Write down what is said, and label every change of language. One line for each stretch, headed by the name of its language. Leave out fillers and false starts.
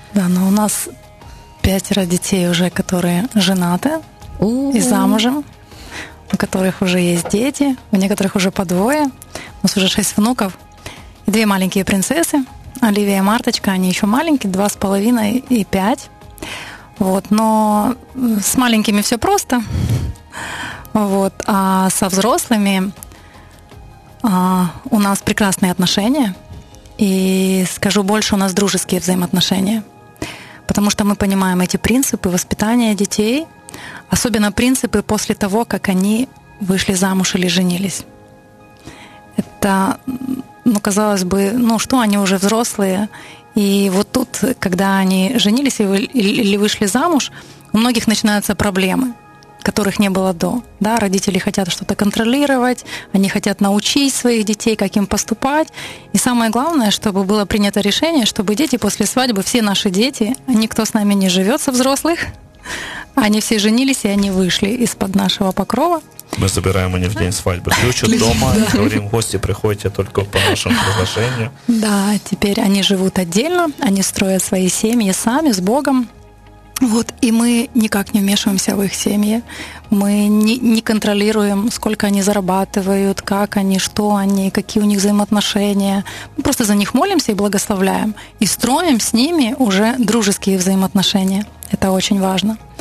Ukrainian: Да, ну у нас 5 дітей вже, які женаті і замужем, у яких вже є діти, у деяких вже по двоє, у нас вже 6 внуків і 2 маленькі принцеси, Олівія і Марточка, вони ще маленькі, 2,5 і 5.
Russian: Вот, но с маленькими все просто. Вот, а со взрослыми у нас прекрасные отношения. И скажу больше, у нас дружеские взаимоотношения. Потому что мы понимаем эти принципы воспитания детей, особенно принципы после того, как они вышли замуж или женились. Это, ну, казалось бы, ну что, они уже взрослые. И вот тут, когда они женились или вышли замуж, у многих начинаются проблемы, которых не было до. Да, родители хотят что-то контролировать, они хотят научить своих детей, как им поступать. И самое главное, чтобы было принято решение, чтобы дети после свадьбы, все наши дети, никто с нами не живет со взрослых, они все женились, и они вышли из-под нашего покрова.
Ukrainian: Ми забираємо не
Russian: в день свадьбы.
Ukrainian: Ключу дома, говорим, гості приходять тільки по нашому приглашенню.
Russian: Да, теперь они живут отдельно, они строят свои семьи сами, с Богом. Вот, и мы никак не вмешиваемся в их семьи. Мы не контролируем, сколько они зарабатывают, как они, что они, какие у них взаимоотношения. Мы просто за них молимся и благословляем. И строим с ними уже дружеские взаимоотношения. Это очень важно.